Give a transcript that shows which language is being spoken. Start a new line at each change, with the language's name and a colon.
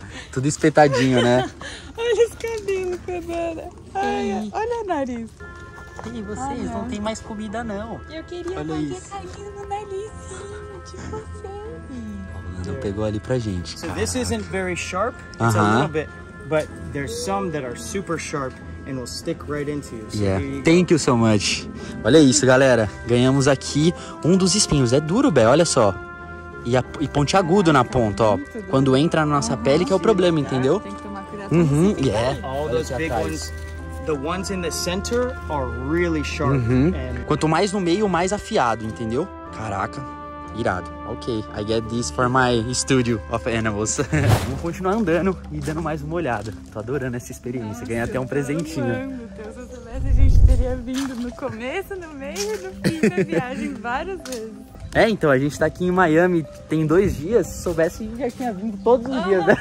Portuguese: Tudo espetadinho, né? Olha os cabelos, cadê? Olha o nariz. E vocês, não tem mais comida, não. Eu queria fazer carinho no narizinho de vocês. Não pegou ali pra gente, cara.
English: So this isn't very sharp. It's uh-huh. A little bit. But there's some that are super sharp and will stick right into you. So yeah. Here you go. Thank you so much.
Portuguese: Olha isso, galera. Ganhamos aqui um dos espinhos. É duro, Bé, olha só. E pontiagudo na ponta, ó. Quando entra na nossa uh-huh. pele, que é o problema, entendeu? Tem que tomar cuidado.
English: Uh-huh. Yeah. All those big ones. The ones in the center are really sharp.
Portuguese: Uhum. Quanto mais no meio, mais afiado, entendeu? Caraca, irado.
English: Ok, I get this for my studio of animals.
Portuguese: Vamos continuar andando e dando mais uma olhada. Tô adorando essa experiência, ganhei até um presentinho. Amando. Se eu soubesse, a gente teria vindo no começo, no meio e no fim da viagem várias vezes. É, então, a gente tá aqui em Miami, tem 2 dias, se soubesse, já tinha vindo todos os dias, né?